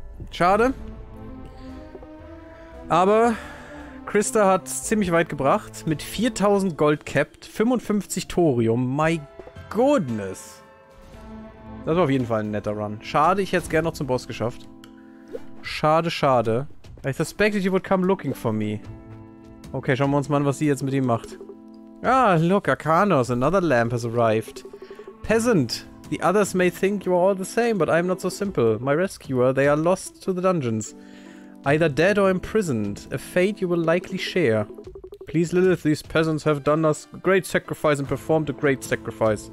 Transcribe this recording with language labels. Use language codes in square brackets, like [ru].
[de] Schade. Aber Krista hat es ziemlich weit gebracht. Mit 4000 Gold capped, 55 Thorium. [en] My goodness. [de] Das war auf jeden Fall ein netter Run. Schade, ich hätte es gerne noch zum Boss geschafft. Schade, schade. [en] I suspected you would come looking for me. [de] Okay, schauen wir uns mal an, was sie jetzt mit ihm macht. [en] Ah, look, Arcanos, another lamp has arrived. Peasant, the others may think you are all the same, but I am not so simple. My rescuer, they are lost to the dungeons. Either dead or imprisoned, a fate you will likely share. Please, Lilith, these peasants have done us a great sacrifice and performed a great sacrifice.